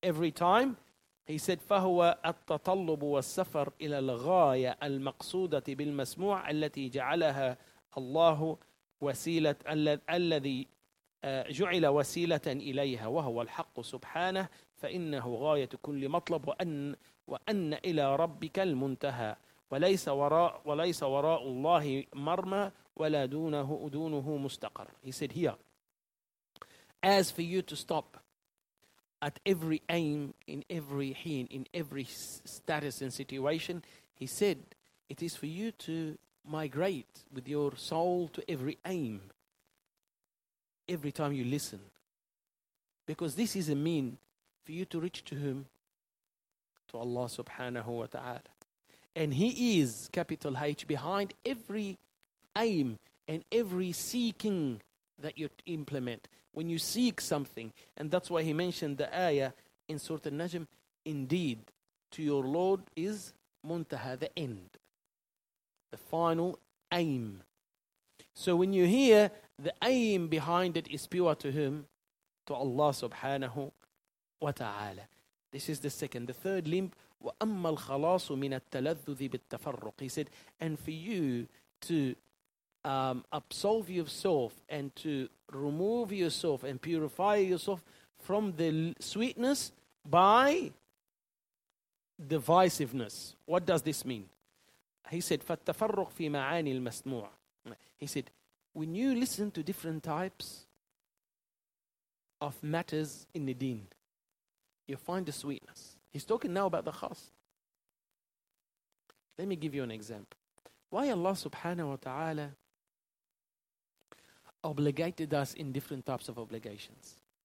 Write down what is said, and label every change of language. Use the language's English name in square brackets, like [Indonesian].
[English] time, he said, [Arabic] فَهُوَ التَّطَلُّبُ وَالسَّفَرُ إِلَى الْغَايَةِ الْمَقْصُودَةِ بِالْمَسْمُوعِ الَّتِي جَعَلَهَا اللَّهُ وَسِيلَةً الَّذِي جُعِلَ وَسِيلَةً إِلَيْهَا وَهُوَ الْحَقُّ سُبْحَانَهُ فَإِنَّهُ غَايَةُ كُلِّ مَطْلَبٍ وَأَنَّ إِلَى رَبِّكَ الْمُنْتَهَى وَلَيْسَ وَرَاءُ اللَّهِ مَرْمَى وَلَا دُونُهُ مُسْتَقَرٌ. [English] He said here, as for you to stop at every aim, in every heen, in every status and situation, he said, it is for you to migrate with your soul to every aim, every time you listen. Because this is a mean for you to reach to whom? To Allah subhanahu wa ta'ala. And He is, capital H, behind every aim and every seeking that you implement. When you seek something, and that's why he mentioned the ayah in Surah Al-Najm, indeed, to your Lord is muntaha, the end, the final aim. So when you hear, the aim behind it is pure to whom? To Allah subhanahu wa ta'ala. This is the second. The third limb, [Arabic] وَأَمَّا الْخَلَاصُ مِنَ التَّلَذُّذِ بِالتَّفَرُّقِ. [English] He said, and for you to absolve yourself and to remove yourself and purify yourself from the sweetness by divisiveness. What does this mean? He said, [Arabic] فَالتَّفَرُّقْ فِي مَعَانِي الْمَسْمُوعِ. [English] He said, when you listen to different types of matters in the deen, you find the sweetness. He's talking now about the khas. Let me give you an example. Why Allah subhanahu wa ta'ala obligated us in different types of obligations?